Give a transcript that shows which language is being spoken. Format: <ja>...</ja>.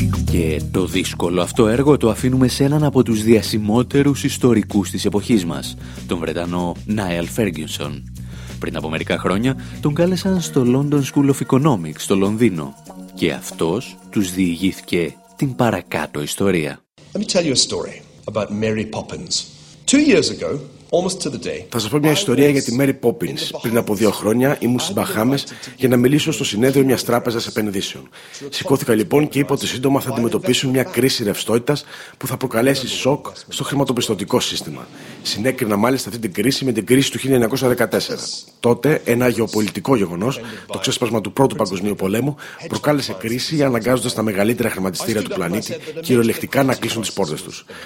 <el>Και το δύσκολο αυτό έργο το αφήνουμε σε έναν από τους διασημότερους ιστορικούς της εποχής μας, τον Βρετανό Niall Ferguson. Πριν από μερικά χρόνια, τον κάλεσαν στο London School of Economics στο Λονδίνο και αυτός τους διηγήθηκε την παρακάτω ιστορία.</el> <en>Let me tell you a story about Mary Poppins. Two years ago,</en> <el>Θα σας πω μια ιστορία για τη Mary Poppins. Πριν από 2 χρόνια ήμουν στις Μπαχάμες για να μιλήσω στο συνέδριο μιας τράπεζας επενδύσεων. Σηκώθηκα λοιπόν και είπα ότι σύντομα θα αντιμετωπίσουν μια κρίση ρευστότητας που θα προκαλέσει σοκ στο χρηματοπιστωτικό σύστημα. Συνέκρινα μάλιστα αυτή την κρίση με την κρίση του 1914. Τότε ένα γεωπολιτικό γεγονός, το ξέσπασμα του Πρώτου Παγκοσμίου Πολέμου, προκάλεσε κρίση αναγκάζοντας τα μεγαλύτερα χρηματιστήρια του πλανήτη κυριολεκτικά να κλείσουν τις πόρτες τους.</el>